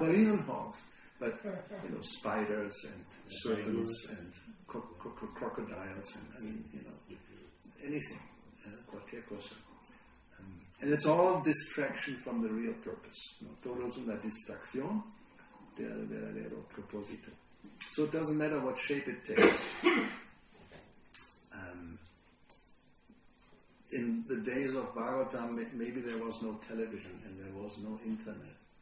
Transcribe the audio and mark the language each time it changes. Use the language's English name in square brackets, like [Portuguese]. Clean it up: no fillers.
[English] Well, even hogs, but you know, spiders and serpents and crocodiles, and I mean, you know, anything, [Spanish] cualquier cosa. [English] And it's all distraction from the real purpose. [Spanish] No, todo es una distracción del verdadero propósito. [English] So it doesn't matter what shape it takes. In the days of Bhagavatam, maybe there was no television and there was no internet.